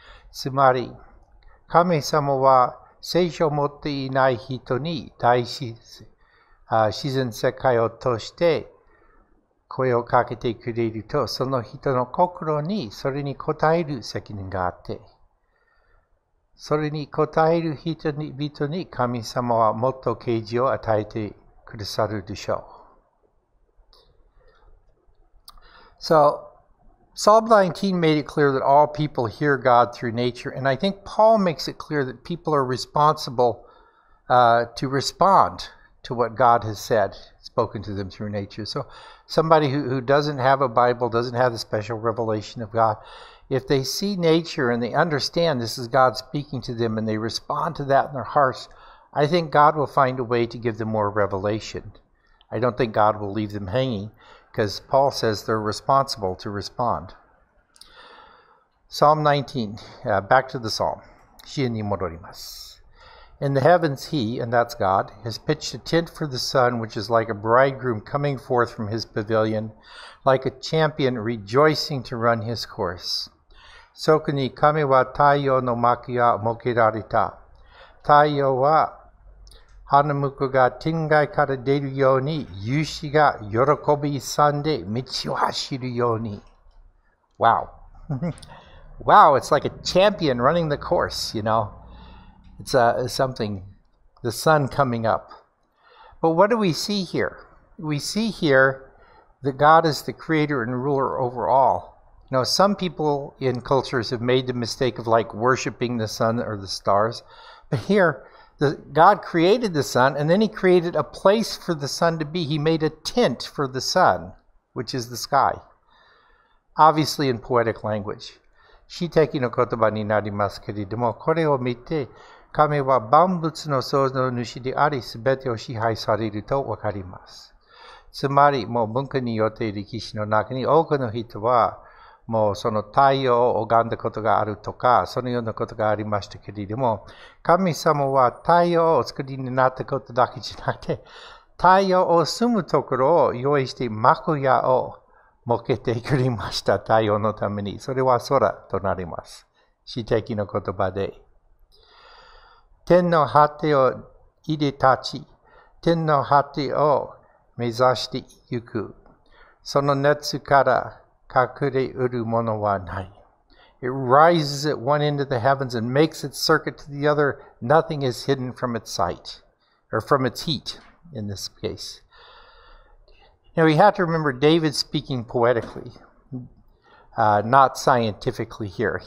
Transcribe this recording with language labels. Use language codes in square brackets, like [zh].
[ja] つまり、神様は聖書を持っていない人に大自然世界を通して声をかけてくれると、その人の心にそれに応える責任があって、それに応える人々に神様はもっと啓示を与えてくださるでしょう。 [en] So, Psalm 19 made it clear that all people hear God through nature, and I think Paul makes it clear that people are responsible to respond to what God has said, spoken to them through nature. So somebody who doesn't have a Bible, doesn't have the special revelation of God, if they see nature and they understand this is God speaking to them and they respond to that in their hearts, I think God will find a way to give them more revelation. I don't think God will leave them hanging, because Paul says they're responsible to respond. Psalm 19, back to the Psalm. [ja] 詩に戻ります。 [en] In the heavens he, and that's God, has pitched a tent for the sun, which is like a bridegroom coming forth from his pavilion, like a champion rejoicing to run his course. [ja] そこに神は太陽の幕が設けられた。太陽は花婿が天外から出るように、勇士が喜び勇んで道を走るように。 [en] Wow. Wow, it's like a champion running the course, you know. It's something, the sun coming up. But what do we see here? We see here that God is the creator and ruler over all. Now, some people in cultures have made the mistake of like worshiping the sun or the stars. But here, God created the sun, and then he created a place for the sun to be. He made a tent for the sun, which is the sky. Obviously in poetic language. [ja] 詩的な言葉になりますけれども、これを見て、神は万物の創造主であり、すべてを支配されるとわかります。つまり、もう文化によって歴史の中に多くの人は、もうその太陽を拝んだことがあるとか、そのようなことがありましたけれども、神様は太陽をお作りになったことだけじゃなくて、太陽を住むところを用意して幕屋を設けてくれました、太陽のために。それは空となります。詩的な言葉で。天の果てを出で立ち、天の果てを目指してゆく。その熱から隠れうるものはない。 [en] It rises at one end of the heavens and makes its circuit to the other. Nothing is hidden from its sight, or from its heat, in this case. Now we have to remember David's speaking poetically, not scientifically here.